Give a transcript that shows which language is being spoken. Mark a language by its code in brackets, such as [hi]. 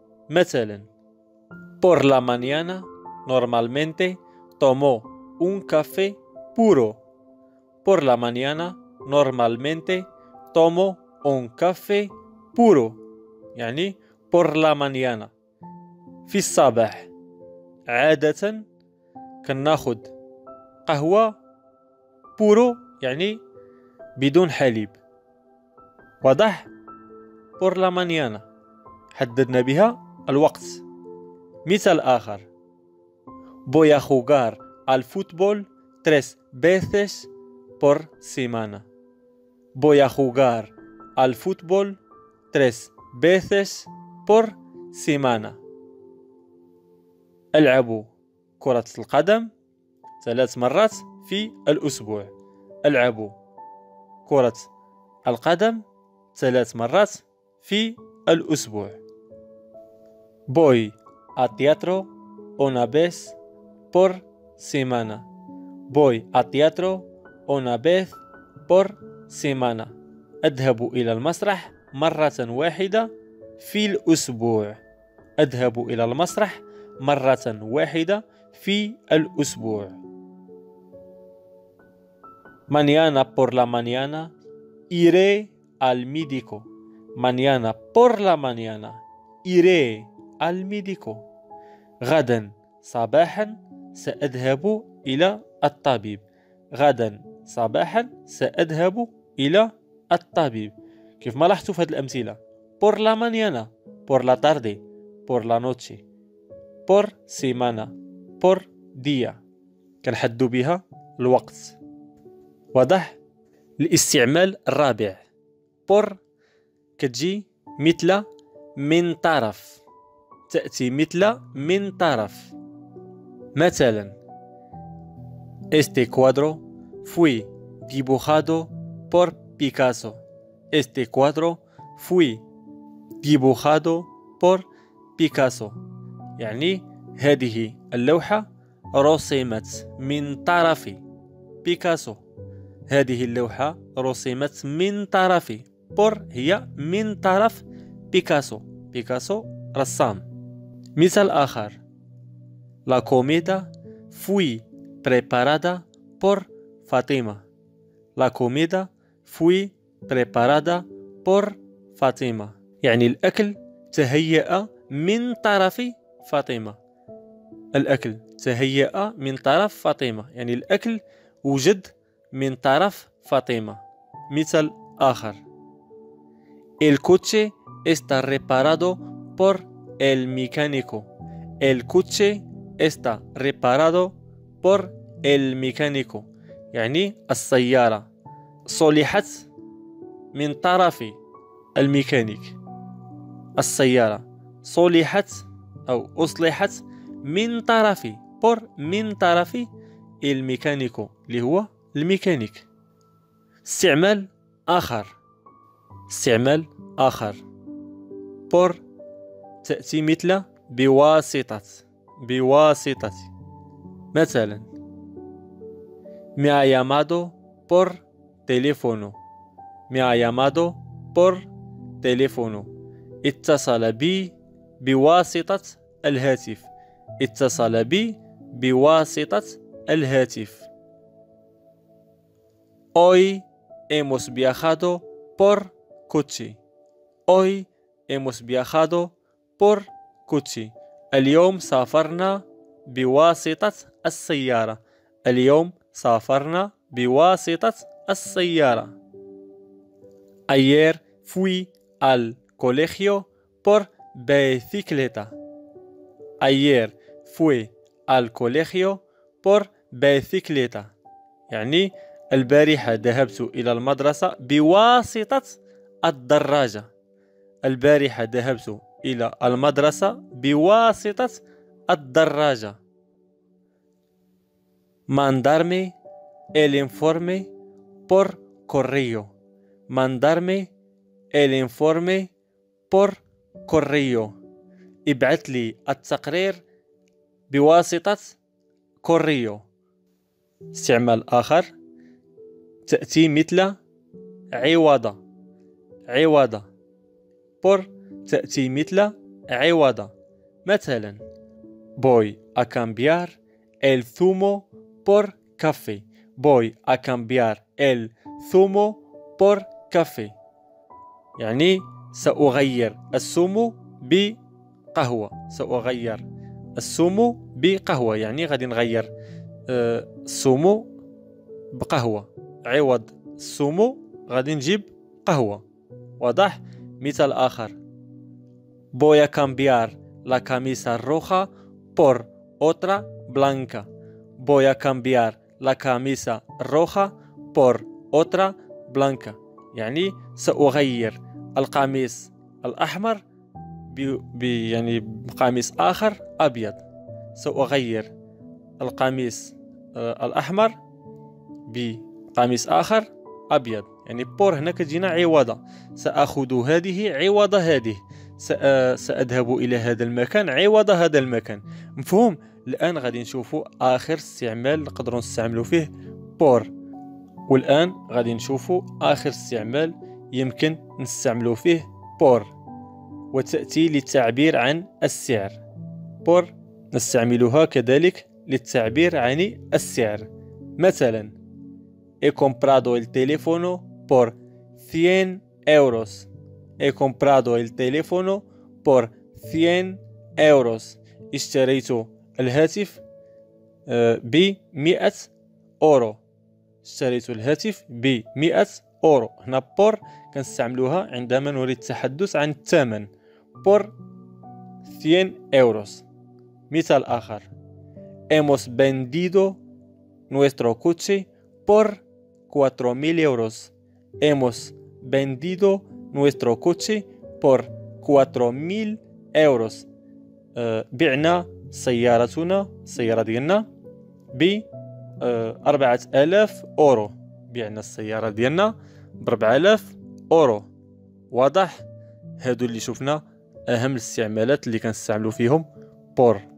[es] مثلا بور لا مانيانا نورمالمنتي تومو un café puro. Por la mañana normalmente tomo un café puro. يعني por la mañana. [ar] في الصباح عادة كناخد قهوة puro يعني بدون حليب. واضح؟ [es] por la mañana [ar] حددنا بها الوقت. مثال آخر [es] voy a jugar al fútbol tres veces por semana. Voy a jugar al fútbol tres veces por semana. [ar] ألعب كرة القدم ثلاث مرات في الأسبوع. ألعب كرة القدم ثلاث مرات في الأسبوع. [es] Voy a teatro una vez por semana. Voy a teatro una vez por semana. [ar] أذهب إلى المسرح مرة واحدة في الأسبوع. أذهب إلى المسرح مرة واحدة في الأسبوع. [es] Mañana por la mañana iré al médico. Mañana por la mañana iré al médico. [ar] غدا صباحا سأذهب إلى الطبيب. غدا صباحا سأذهب إلى الطبيب. كيف ما لاحظتوا في هذه الأمثلة؟ [es] por la mañana, por la tarde, por la noche, por semana, por día. [ar] كنحدد بها الوقت. واضح؟ الاستعمال الرابع. por كتجي مثل من طرف. تأتي مثل من طرف. [es] مثلا este cuadro fue dibujado por Picasso. Este cuadro fue dibujado por Picasso. [ar] يعني هذه اللوحة رسمت من طرف بيكاسو. هذه اللوحة رسمت من طرف por هي من طرف بيكاسو. بيكاسو رسام. مثال آخر [es] la comida fue preparada por Fatima. La comida fue preparada por Fatima. [ar] يعني الأكل تهيأ من طرف فاطمة. الأكل تهيأ من طرف فاطمة. يعني الأكل وجد من طرف فاطمة. مثال آخر [es] El coche está reparado por el mecánico. El coche está reparado por الميكانيكو. [ar] يعني السيارة صلحت من طرف الميكانيك. السيارة صلحت أو أصلحت من طرف بور من طرف الميكانيكو اللي هو الميكانيك. استعمال آخر. استعمال آخر بور تأتي مثل بواسطة. بواسطة مثلا [es] me ha llamado por teléfono. Me ha llamado por teléfono. [ar] اتصل بي بواسطة الهاتف. اتصل بي بواسطة الهاتف. [es] Hoy hemos viajado por coche. Hoy hemos viajado por coche. [ar] اليوم سافرنا بواسطة السيارة. اليوم سافرنا بواسطة السيارة. [es] Ayer fui al colegio por bicicleta. Ayer fui al colegio por bicicleta. [ar] يعني البارحة ذهبت إلى المدرسة بواسطة الدراجة. البارحة ذهبت إلى المدرسة بواسطة الدراجة. [es] Mandarme el informe por correo. Mandarme el informe por correo. [ar] ابعث لي التقرير بواسطة correo. استعمال آخر تأتي مثل عوضة، عوضة. بور تأتي مثل عوضة، مثلا [es] boy a cambiar el zumo por café. Boy a cambiar el zumo por café، [ar] يعني سأغير السمو بقهوة. سأغير السمو بقهوة، يعني غادي نغير السمو بقهوة. عوض السمو غادي نجيب قهوة. واضح؟ مثال آخر، [es] voy a cambiar la camisa roja por otra blanca. Voy a cambiar la camisa roja por otra blanca، [ar] يعني سأغير القميص الأحمر يعني قميص آخر أبيض. سأغير القميص الأحمر بقميص آخر أبيض، يعني بور هنا كتجينا عوضة. سأخذ هذه عوضة هذه، سأذهب إلى هذا المكان عوضة هذا المكان. مفهوم؟ الآن غادي نشوفوا آخر استعمال نقدروا نستعملوا فيه بور، والآن غادي نشوفوا آخر استعمال يمكن نستعملوا فيه بور، وتأتي للتعبير عن السعر. بور نستعملها كذلك للتعبير عن السعر، مثلا [es] he comprado el teléfono por 100 euros. He comprado el teléfono por 100 euros. [ar] اشتريت الهاتف ب 100 اورو. اشتريت الهاتف ب 100 اورو. هنا بور كنستعملوها عندما نريد التحدث عن الثمن. [es] بور 100 euros. [ar] مثال اخر، [es] hemos vendido nuestro coche por 4000 euros. Hemos vendido nuestro coche por 4000 euros. [ar] بعنا سيارتنا، السيارة ديالنا ب 4000 اورو. بعنا السيارة ديالنا ب 4000 اورو. واضح؟ هادو اللي شفنا اهم الاستعمالات اللي كنستعملوا فيهم بور.